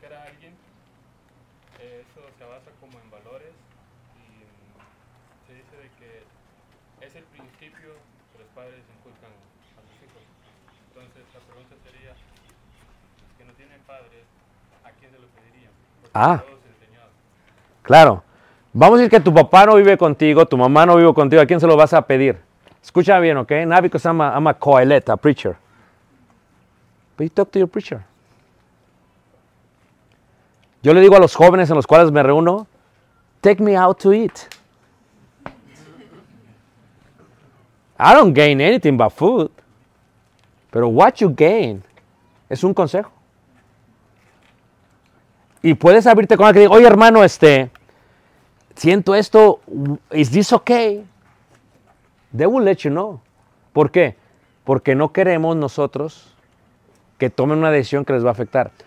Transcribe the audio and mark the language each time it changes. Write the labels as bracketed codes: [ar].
[es] alguien, eso se basa como en valores y se dice de que es el principio que los padres inculcan a sus hijos. Entonces la pregunta sería, los que no tienen padres, ¿a quién se lo pedirían? Ah, todos enseñados. Claro. Vamos a decir que tu papá no vive contigo, tu mamá no vive contigo, ¿a quién se lo vas a pedir? Escucha bien, ¿ok? [en] Not because I'm a Kohelet, a preacher. But you talk to your preacher. [es] Yo le digo a los jóvenes en los cuales me reúno, [en] take me out to eat. I don't gain anything but food. [es] Pero [en] what you gain [es] es un consejo. Y puedes abrirte con alguien que diga, oye, hermano, siento esto, [en] is this okay? They will let you know. [es] ¿Por qué? Porque no queremos nosotros que tomen una decisión que les va a afectar.